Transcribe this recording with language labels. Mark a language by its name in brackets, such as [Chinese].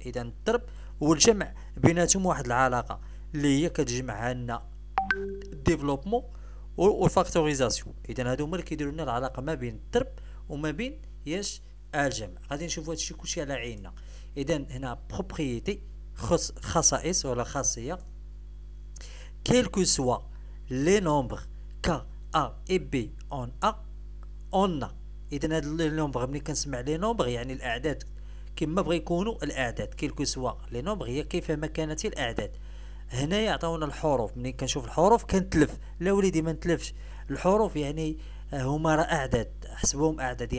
[Arabic] إذن الضرب والجمع بيناتهم واحد العلاقة اللي هي كتجمع لنا ديفلوبمون والفاكتوريزاسيون. إذن هادو هما اللي كيديروا لنا العلاقة ما بين الضرب وما بين ياش الجمع. غادي نشوفوا هادشي كلشي على عيننا. إذن هنا بروبريتي خصائص ولا خاصية. [French] Quel que soit les nombres K, A et B en A, on a. [Arabic] إذن هاد لي نومبغ ملي كنسمع لي نومبغ يعني الأعداد، كيما بغا يكونوا الأعداد. [French] Quel que soit les nombres [Arabic] هي كيف ما كانت الأعداد. هنايا عطاونا الحروف، ملي كنشوف الحروف كنتلف. لا وليدي ما نتلفش، الحروف يعني هما راه أعداد، حسبوهم أعداد.